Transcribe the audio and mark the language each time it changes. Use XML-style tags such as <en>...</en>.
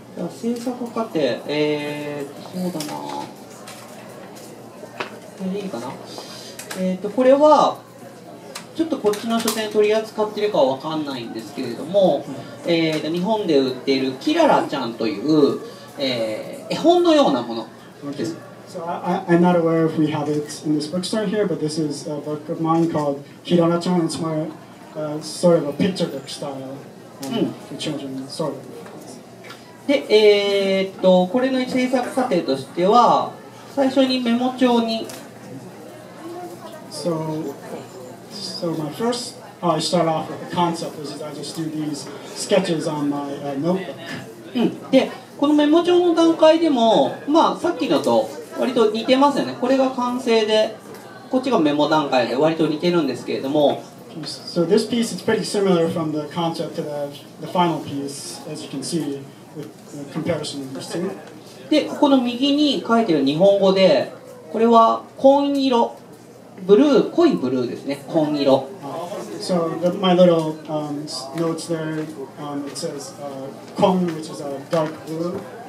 <ja>制作過程、そうだな、これでいいかな。これはちょっとこっちの書店取り扱ってるかわかんないんですけれども、日本で売っているキララちゃんという、絵本のようなものです。</ja> <en>Okay. So I'm not aware if we have it in this bookstore here, but this is a book of mine called Kirara Chan. It's my、sort of a picture book style for children, sort of.</en> <ja>で、これの制作過程としては、最初にメモ帳に。</ja> <en>So,So my first, I start off with the concept, which is I just do these sketches on my notebook.</en> <ja>で、このメモ帳の段階でも、まあさっきのと割と似てますよね。これが完成で、こっちがメモ段階で割と似てるんですけれども。</ja> <en>So this piece is pretty similar from the concept to the final piece, as you can see, with the comparison of these two.</en> <ja>で、ここの右に書いてる日本語で、これは紺色。ブルー、濃いブルーですね、紺色。</ja> <en>So, my little notes there, it says, 紺、which is a dark blue.</en>